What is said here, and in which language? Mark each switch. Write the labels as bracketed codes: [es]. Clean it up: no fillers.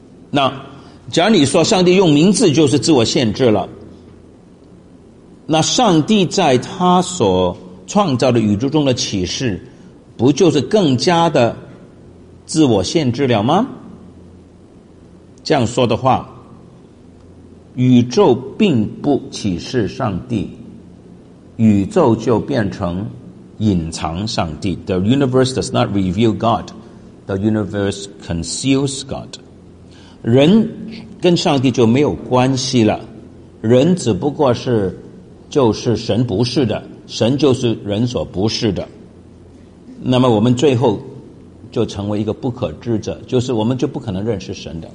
[zh] 那假如你说上帝用名字就是自我限制了，那上帝在他所创造的宇宙中的启示不就是更加的自我限制了吗？这样说的话，宇宙并不启示上帝，宇宙就变成隐藏上帝。 [en] The universe does not reveal God, the universe conceals God. [zh] 人跟上帝就没有关系了，人只不过是就是神不是的，神就是人所不是的。那么我们最后就成为一个不可知者，就是我们就不可能认识神的。